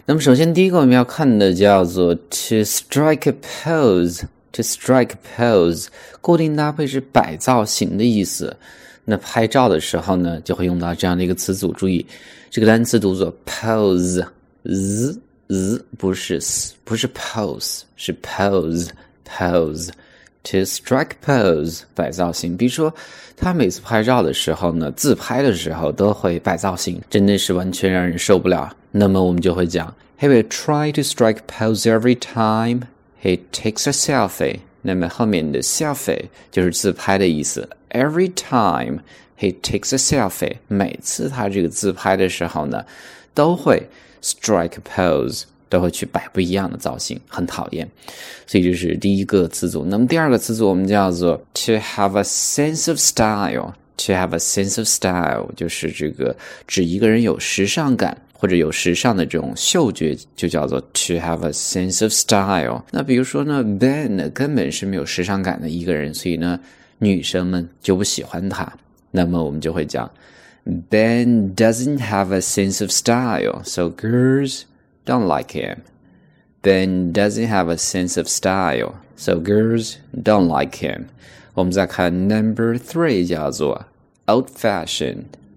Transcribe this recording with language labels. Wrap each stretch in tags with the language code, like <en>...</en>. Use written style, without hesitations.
<zh>那么首先第一个我们要看的叫做</zh> <en>to strike a pose，</en> <zh>固定搭配是摆造型的意思。那拍照的时候呢，就会用到这样的一个词组。注意这个单词读作 pose， z 不是 pose， 是 pose。</zh> <en>To strike pose，</en> <zh>摆造型。比如说他每次拍照的时候呢，自拍的时候都会摆造型，真的是完全让人受不了。那么我们就会讲</zh> <en>He will try to strike pose every time he takes a selfie。</en> <zh>那么后面的 selfie 就是自拍的意思。</zh> <en>Every time he takes a selfie，</en> <zh>每次他这个自拍的时候呢，都会</zh> <en>strike pose，</en> <zh>都会去摆不一样的造型，很讨厌。所以这是第一个词组。那么第二个词组我们叫做</zh> <en>to have a sense of style，</en> <zh>就是这个指一个人有时尚感或者有时尚的这种嗅觉，就叫做 to have a sense of style。那比如说呢， Ben 根本是没有时尚感的一个人，所以呢女生们就不喜欢他。那么我们就会讲</zh> <en>Ben doesn't have a sense of style， so girlsDon't like him. Ben doesn't have a sense of style, so girls don't like him.</en> <zh>我们再看 number three， 叫做 old fashioned。</zh>